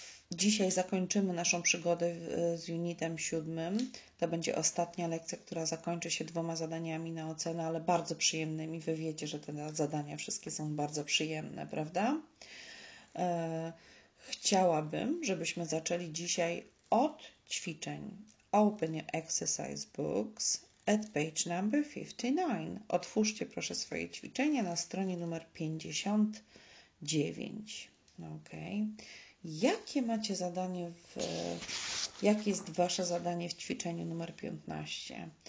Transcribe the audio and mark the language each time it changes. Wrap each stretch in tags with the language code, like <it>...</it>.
<pl>Dzisiaj zakończymy naszą przygodę z unitem 7. To będzie ostatnia lekcja, która zakończy się dwoma zadaniami na ocenę, ale bardzo przyjemnymi. Wy wiecie, że te zadania wszystkie są bardzo przyjemne, prawda? Chciałabym, żebyśmy zaczęli dzisiaj od ćwiczeń.</pl> <en>Open your exercise books at page number 59.</en> <pl>Otwórzcie proszę swoje ćwiczenie na stronie numer 59. Ok. Jakie macie zadanie w... Jakie jest wasze zadanie w ćwiczeniu numer 15?</pl>